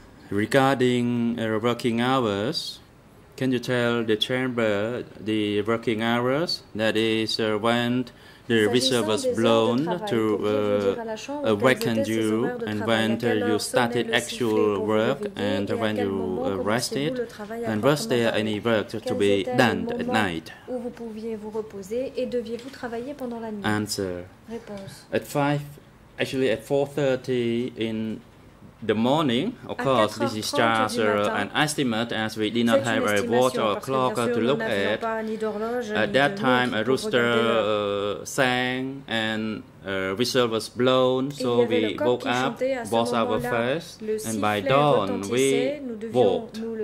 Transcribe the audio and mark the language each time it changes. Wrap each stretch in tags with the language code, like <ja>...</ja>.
<en>Regarding working hours, can you tell the chamber the working hours? That is, when the whistle was blown to awaken you, and when you started actual work, and when you rested, and was there any work to be done at night?</en> <fr>Où vous pouviez vous reposer et deviez-vous travailler pendant la nuit?</fr> <en>Answer.</en> <fr>Réponse.</fr> <en>At 4:30 in The morning, of course, this is just an estimate as we did not have a watch or a clock to look at. At that time, a rooster sang and whistle was blown, so we woke up, washed our face, and by dawn we walked.</en>